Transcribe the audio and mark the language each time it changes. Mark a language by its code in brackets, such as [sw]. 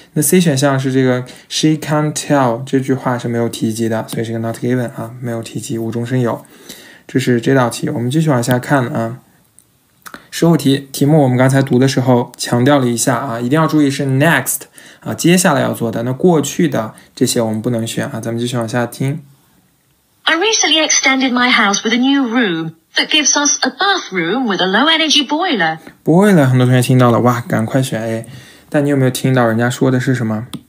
[zh] 那 C 选项是这个 [en] she can't tell [zh] 这句话是没有提及的，所以是个 not given 啊，没有提及，无中生有。这是这道题，我们继续往下看啊。十五题，题目我们刚才读的时候强调了一下啊，一定要注意是 next 啊，接下来要做的。那过去的这些我们不能选啊，咱们继续往下听。 [en] I recently extended my house with a new room that gives us a bathroom with a low energy boiler. [zh] Boiler， 很多同学听到了，哇，赶快选 A。但你有没有听到人家说的是什么？